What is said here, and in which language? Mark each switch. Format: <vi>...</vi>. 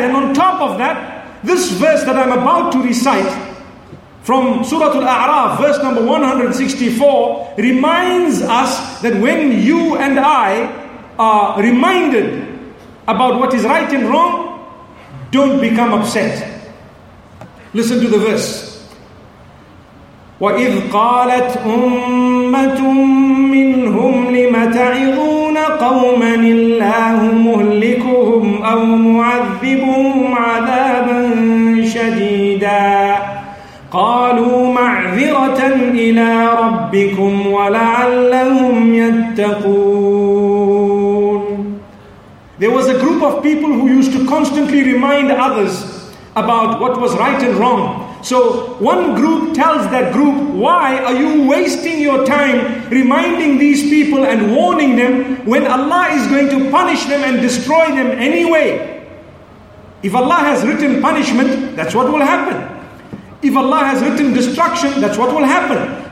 <en>And on top of that, this verse that I'm about to recite from Surah Al-A'raf, verse number 164, reminds us that when you and I are reminded about what is right and wrong, don't become upset. Listen to the verse.</en> <ar>وَإِذْ قَالَتْ أُمَّةٌ مِّنْهُمْ لِمَ تَعِظُونَ قَوْمًا إِلَّهُ مُهْلِكُهُمْ أَوْ مُعَذِّبُهُمْ عَذَابًا شَدِيدًا قَالُوا مَعْذِرَةً إِلَىٰ رَبِّكُمْ وَلَعَلَّهُمْ يَتَّقُونَ</ar> <en>There was a group of people who used to constantly remind others about what was right and wrong. So one group tells that group, why are you wasting your time reminding these people and warning them when Allah is going to punish them and destroy them anyway? If Allah has written punishment, that's what will happen. If Allah has written destruction, that's what will happen.</en>